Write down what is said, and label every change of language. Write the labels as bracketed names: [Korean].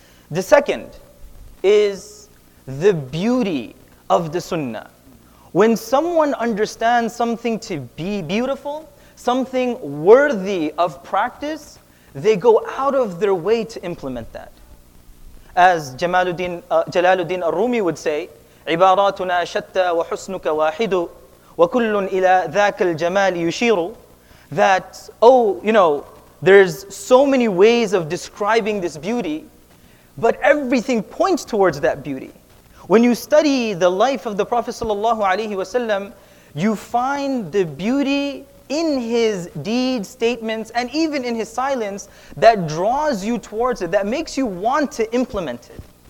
[English] The second is the beauty of the sunnah. When someone understands something to be beautiful, something worthy of practice, they go out of their way to implement that. As Jalaluddin Ar-Rumi would say, [Arabic] "عِبَارَاتُنَا شَتَّى وَحُسْنُكَ وَاحِدُ وَكُلٌّ إِلَىٰ ذَاكَ الْجَمَالِ يُشِيرُ." [English] That, oh, you know, there's so many ways of describing this beauty, but everything points towards that beauty. When you study the life of the Prophet sallallahu alaihi wasallam, you find the beauty in his deeds, statements, and even in his silence that draws you towards it, that makes you want to implement it.